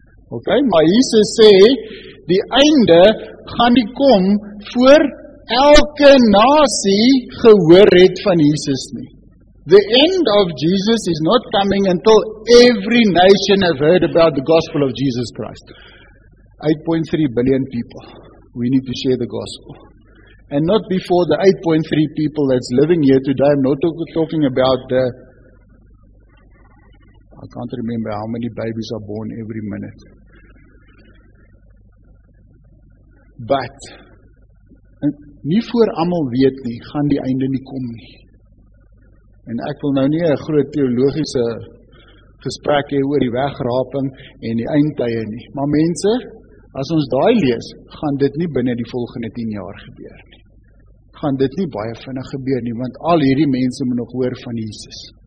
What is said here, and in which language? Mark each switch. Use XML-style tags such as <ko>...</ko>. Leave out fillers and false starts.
<af>Ok, maar Jesus sê, die einde gaan nie kom voor elke nasie gehoor het van Jesus nie.</af> <en>The end of Jesus is not coming until every nation has heard about the gospel of Jesus Christ. 8.3 billion people, we need to share the gospel. And not before the 8.3 people that's living here today, I'm not talking about the, I can't remember how many babies are born every minute.</en> <af>But, nie voor almal weet nie, gaan die einde nie kom nie. En ek wil nou nie 'n groot teologiese gesprek hê oor die wegraping en die eindtye nie. Maar mense, as ons daai lees, gaan dit nie binne die volgende 10 jaar gebeur nie. Gaan dit nie baie vinnig gebeur nie, want al hierdie mense moet nog hoor van Jesus.</af>